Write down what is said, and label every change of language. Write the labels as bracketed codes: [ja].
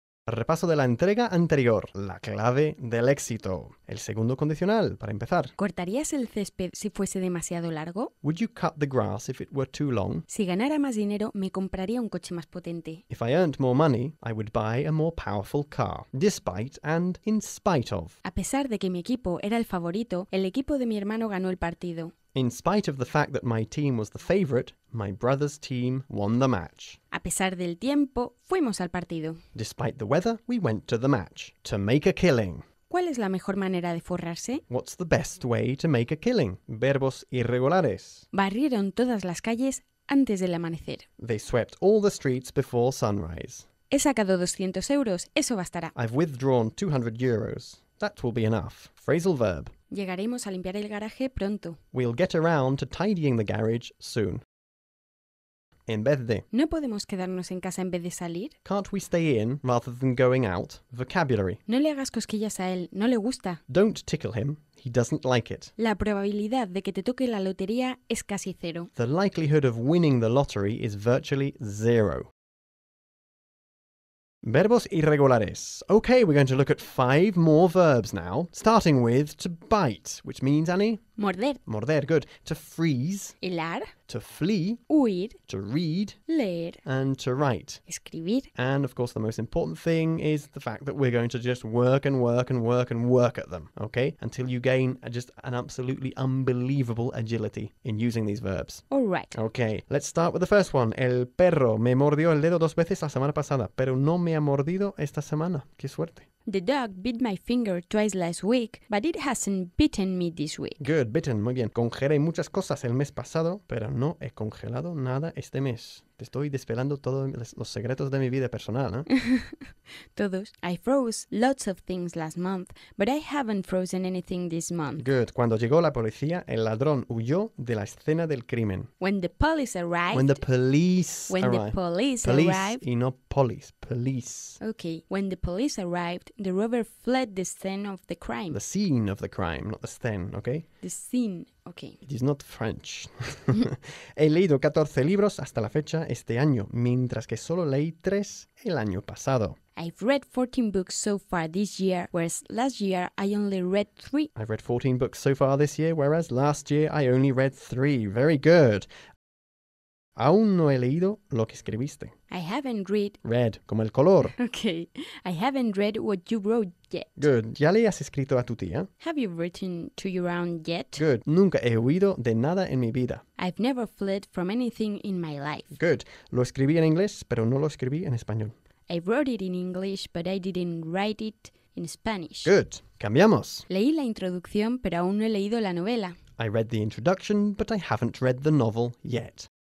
[es] Repaso de la entrega anterior, la clave del éxito. El segundo condicional, para empezar. ¿Cortarías el césped si fuese demasiado largo? [en] Would you cut the grass if it were too long? [es] Si ganara más dinero, me compraría un coche más potente. [en] If I earned more money, I would buy a more powerful car. Despite and in spite of. [es] A pesar de que mi equipo era el favorito, el equipo de mi hermano ganó el partido. [en] In spite of the fact that my team was the favorite, my brother's team won the match. [es] A pesar del tiempo, fuimos al partido. [en] Despite the weather, we went to the match. To make a killing. [es] ¿Cuál es la mejor manera de forrarse? [en] What's the best way to make a killing? [es] Verbos irregulares. Barrieron todas las calles antes del amanecer. [en] They swept all the streets before sunrise. [es] He sacado 200 euros, eso bastará. [en] I've withdrawn 200 euros. That will be enough. Phrasal verb. [es] Llegaremos a limpiar el garaje pronto. [en] We'll get around to tidying the garage soon. [es] En vez de. ¿No podemos quedarnos en casa en vez de salir? [en] Can't we stay in rather than going out? Vocabulary. [es] No le hagas cosquillas a él, no le gusta. [en] Don't tickle him, he doesn't like it. [es] La probabilidad de que te toque la lotería es casi cero. [en] The likelihood of winning the lottery is virtually zero. [es] Verbos irregulares. [en] Okay, we're going to look at five more verbs now, starting with to bite, which means, Annie? [es] Morder. [en] Morder, good. To freeze. [es] Hilar. [en] To flee. [es] Huir. [en] To read. [es] Leer. [en] And to write. [es] Escribir. [en] And, of course, the most important thing is the fact that we're going to just work and work and work and work at them, okay? Until you gain just an absolutely unbelievable agility in using these verbs. All right. Okay, let's start with the first one. [es] El perro me mordió el dedo dos veces la semana pasada, pero no me ha mordido esta semana. Qué suerte. [en] The dog bit my finger twice last week, but it hasn't bitten me this week. Good, bitten, [es] muy bien. Congelé muchas cosas el mes pasado, pero no he congelado nada este mes. Te estoy desvelando todos los secretos de mi vida personal, ¿eh? Todos. [en] I froze lots of things last month, but I haven't frozen anything this month. Good. [es] Cuando llegó la policía, el ladrón huyó de la escena del crimen. [en] When the police arrived. When the police arrived. When the police arrived. Police y no police. Police. Okay. When the police arrived, the robber fled the scene of the crime. The scene of the crime, not the scene, okay? The scene. Okay. It is not French. [es] He leído 14 libros hasta la fecha este año, mientras que solo leí 3 el año pasado. [en] I've read 14 books so far this year, whereas last year I only read 3. I've read 14 books so far this year, whereas last year I only read 3. Very good. [es] Aún no he leído lo que escribiste. [en] I haven't read. [es] Read, como el color. [en] Okay. I haven't read what you wrote yet. [es] Good. ¿Ya le has escrito a tu tía? [en] Have you written to your aunt yet? Good. [es] Nunca he huido de nada en mi vida. [en] I've never fled from anything in my life. Good. [es] Lo escribí en inglés, pero no lo escribí en español. [en] I wrote it in English, but I didn't write it in Spanish. Good. [es] Cambiamos. Leí la introducción, pero aún no he leído la novela. [en] I read the introduction, but I haven't read the novel yet.